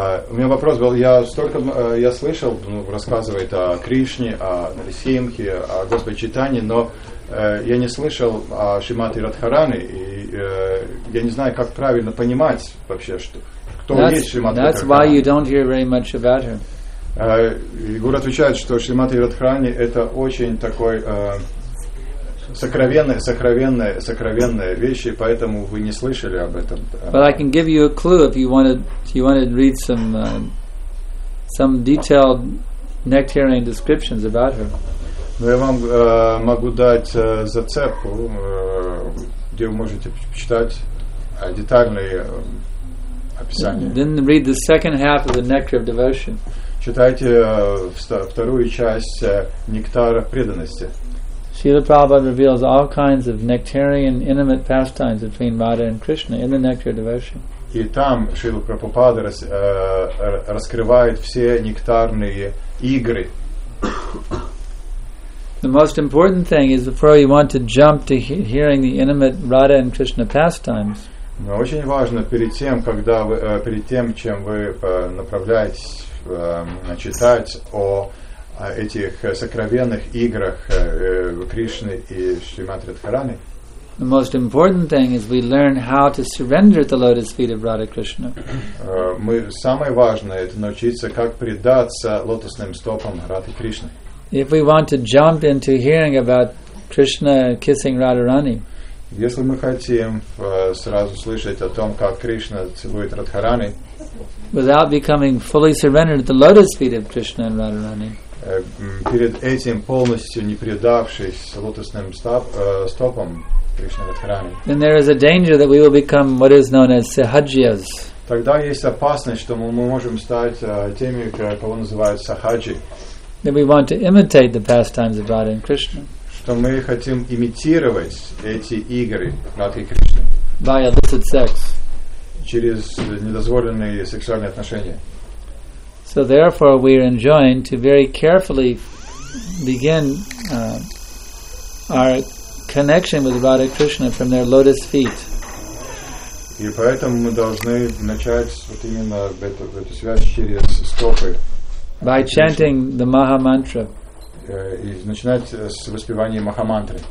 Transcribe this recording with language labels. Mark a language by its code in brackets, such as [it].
[ru] У меня вопрос был, я слышал, рассказывает о Кришне, о Нарисимхе, о Господе Чайтанье, но я не слышал о Шримати Радхарани, и я не знаю, как правильно понимать вообще, что кто [en] that's, [ru] есть Шримати Радхарани. [en] That's why you don't hear very much about her. [ru] Гуру отвечает, что Шримати Радхарани это очень такой сокровенные вещи, поэтому вы не слышали об этом. [en] But I can give you a clue if you wanted to read some detailed nectarian descriptions about her. [ru] Но я вам могу дать зацепку, где вы можете почитать детальные описания. [en] Then read the second half of the Nectar of Devotion. [ru] Читайте вторую часть Нектара преданности. [en] Srila Prabhupada reveals all kinds of nectarian intimate pastimes between Radha and Krishna in the Nectar of Devotion. [ru] И там Шрила Прабхупада раскрывает все нектарные игры. [en] The most important thing is before you want to jump to hearing the intimate Radha and Krishna pastimes. [ru] Но очень важно перед тем, чем вы направляетесь читать о этих сокровенных играх Кришны и Шримати Радхарани. [en] The most important thing is we learn how to surrender at the lotus feet of Radha Krishna. [ru] Мы самое важное это научиться как предаться лотосным стопам Радхи Кришны. [en] If we want to jump into hearing about Krishna kissing Radharani. [ru] Если мы хотим сразу слышать о том, как Кришна целует Радхарани. [en] Without becoming fully surrendered at the lotus feet of Krishna and Radharani. [ru] Перед этим полностью не предавшись лотосным стопам Кришны Радхарани. [en] Then there is a danger that we will become what is known as sahajiyas. [ru] Тогда есть опасность, что мы можем стать теми, кого называют сахаджи. [en] That we want to imitate the pastimes of Radha and Krishna. [ru] Что мы хотим имитировать эти игры Радхи Кришны. [en] By illicit sex. [ru] Через недозволенные сексуальные отношения. [en] So therefore we are enjoined to very carefully begin our connection with Radha Krishna from their lotus feet. [ru] И поэтому мы должны начать вот именно эту связь через стопы. [en] By chanting the Maha Mantra. [ru] И начинать с воспевания Махамантры.